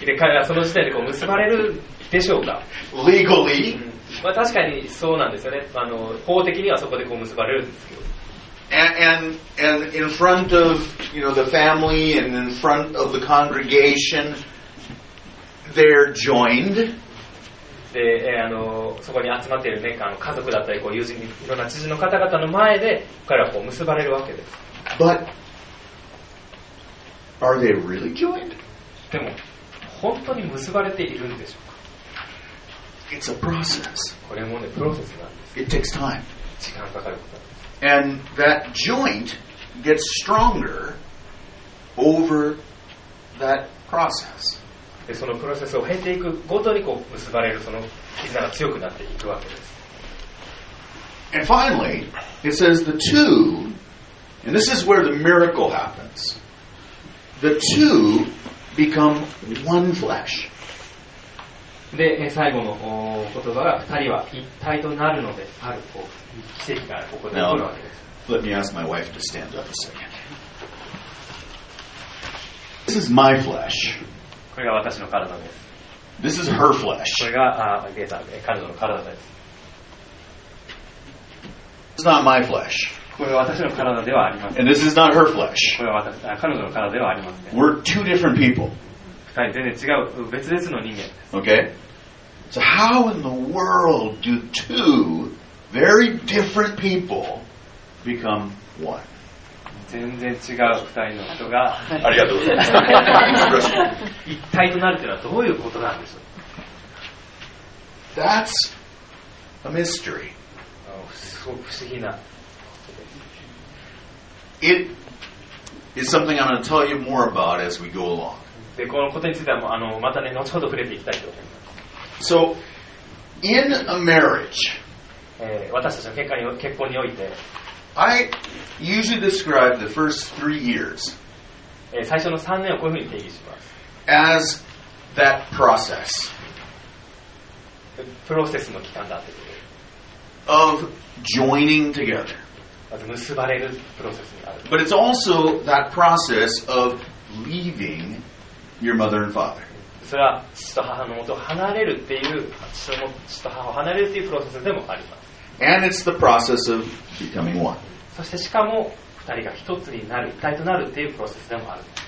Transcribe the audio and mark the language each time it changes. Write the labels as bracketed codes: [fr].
[ja] で、彼はその時点でこう結ばれるでしょうか。 [en] Legally?、 [ja] まあ、確かにそうなんですよね。あの法的にはそこでこう結ばれるんですけど。 [en] And in front of, you know, the family and in front of the congregation, they're joined. [ja] で、あの、そこに集まっているね、あの、家族だったり、こう、友人、いろんな知人の方々の前で、彼らはこう結ばれるわけです。 [en] But, are they really joined? [ja] でも、本当に結ばれているんでしょうか? [en] It's a process. [ja] これもね、プロセスなんです。 [en] It takes time. [ja] 時間かかることです。 [en] And that joint gets stronger over that process. [ja] で、そのプロセスを経ていくごとにこう結ばれるその絆が強くなっていくわけです。 [en] And finally, it says the two, and this is where the miracle happens. The two become one flesh. [ja] で、最後の言葉が二人は一体となるのであるこう。 [en] Now, let me ask my wife to stand up a second. This is my flesh. [ja] これが私の体です。 [en] This is her flesh. [ja] これが、ゲイさんで、彼女の体です。 [en] It's not my flesh. [ja] これは私の体ではありません。 [en] And this is not her flesh. [ja] これは私、彼女の体ではありません。 [en] We're two different people. [ja] 二人全然違う、別々の人間です。 [en] Okay? So how in the world do two... Very different people become one. [ja] 全然違う二人の人が。ありがとうございます。一体となるというのはどういうことなんでしょう。 [en] That's a mystery. [ja] すごく不思議な。 [en] It is something I'm going to tell you more about as we go along. [ja] で、このことについてはもうあのまたね後ほど触れていきたいと思います。 [en] So in a marriage. [ja] 私たちの結婚に、結婚において [en] I usually describe the first three years [ja] 最初の3年をこういうふうに定義します [en] as that process [ja] プロセスの期間だって [en] of joining together [ja] まず結ばれるプロセスにある [en] but it's also that process of leaving your mother and father [ja] それは父と母のもと離れるっていう父と母を離れるっていうプロセスでもあります [en] And it's the process of becoming one. [ja] そしてしかも二人が一つになる一体となるっていうプロセスでもある。